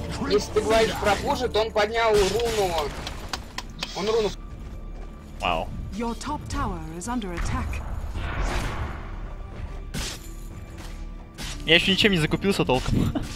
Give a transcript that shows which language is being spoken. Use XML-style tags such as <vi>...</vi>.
<ru>Если ты говоришь про Пуджи, то он поднял руну. Он руну... Вау.</ru> <en>Your top tower is under attack.</en> <ru>Я еще ничем не закупился толком.</ru>